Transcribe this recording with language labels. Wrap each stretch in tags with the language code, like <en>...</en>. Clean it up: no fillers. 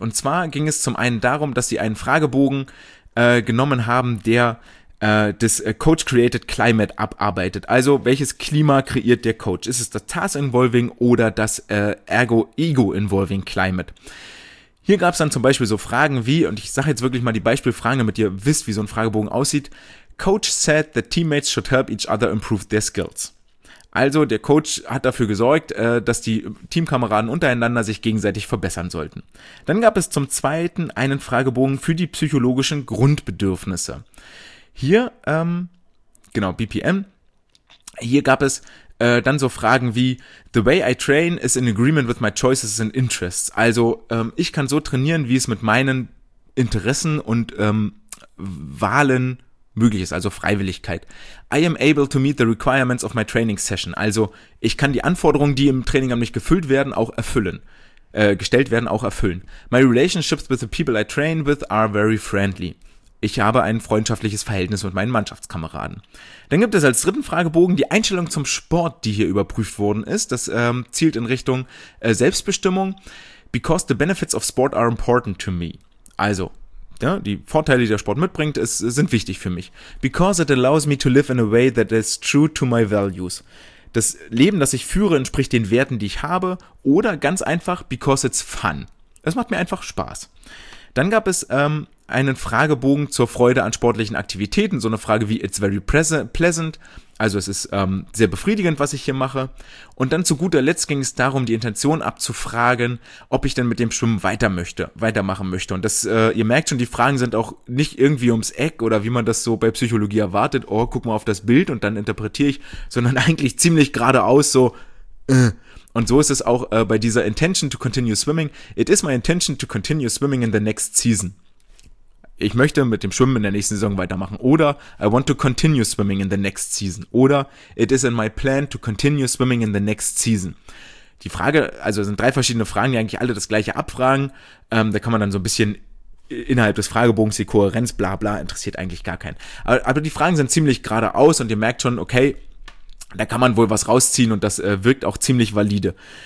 <de>Und zwar ging es zum einen darum, dass sie einen Fragebogen genommen haben, der das Coach-Created Climate abarbeitet. Also, welches Klima kreiert der Coach? Ist es das Task-Involving oder das Ego-Involving Climate? Hier gab es dann zum Beispiel so Fragen wie, und ich sage jetzt wirklich mal die Beispielfrage, damit ihr wisst, wie so ein Fragebogen aussieht.</de> <en>Coach said that teammates should help each other improve their skills.</en> <de>Also, der Coach hat dafür gesorgt, dass die Teamkameraden untereinander sich gegenseitig verbessern sollten. Dann gab es zum zweiten einen Fragebogen für die psychologischen Grundbedürfnisse. Hier, BPM, hier gab es dann so Fragen wie,</de> <en>the way I train is in agreement with my choices and interests.</en> <de>Also ich kann so trainieren, wie es mit meinen Interessen und Wahlen möglich ist, also Freiwilligkeit.</de> <en>I am able to meet the requirements of my training session.</en> <de>Also ich kann die Anforderungen, die im Training an mich gefüllt werden, auch erfüllen. Gestellt werden, auch erfüllen.</de> <en>My relationships with the people I train with are very friendly.</en> <de>Ich habe ein freundschaftliches Verhältnis mit meinen Mannschaftskameraden. Dann gibt es als dritten Fragebogen die Einstellung zum Sport, die hier überprüft worden ist. Das zielt in Richtung Selbstbestimmung.</de> <en>Because the benefits of sport are important to me.</en> <de>Also, ja, die Vorteile, die der Sport mitbringt, sind wichtig für mich.</de> <en>Because it allows me to live in a way that is true to my values.</en> <de>Das Leben, das ich führe, entspricht den Werten, die ich habe. Oder ganz einfach,</de> <en>because it's fun.</en> <de>Es macht mir einfach Spaß. Dann gab es einen Fragebogen zur Freude an sportlichen Aktivitäten. So eine Frage wie,</de> <en>it's very pleasant.</en> <de>Also es ist sehr befriedigend, was ich hier mache. Und dann zu guter Letzt ging es darum, die Intention abzufragen, ob ich denn mit dem Schwimmen weitermachen möchte. Und das, ihr merkt schon, die Fragen sind auch nicht irgendwie ums Eck oder wie man das so bei Psychologie erwartet. Oh, guck mal auf das Bild und dann interpretiere ich. Sondern eigentlich ziemlich geradeaus so. Und so ist es auch bei dieser Intention to continue swimming.</de> <en>It is my intention to continue swimming in the next season.</en> <de>Ich möchte mit dem Schwimmen in der nächsten Saison weitermachen.</de> <en>Oder I want to continue swimming in the next season. Oder it is in my plan to continue swimming in the next season.</en> <de>Die Frage, also es sind drei verschiedene Fragen, die eigentlich alle das gleiche abfragen. Da kann man dann so ein bisschen innerhalb des Fragebogens die Kohärenz, bla bla, interessiert eigentlich gar keinen. Aber die Fragen sind ziemlich geradeaus und ihr merkt schon, okay, da kann man wohl was rausziehen und das wirkt auch ziemlich valide.</de>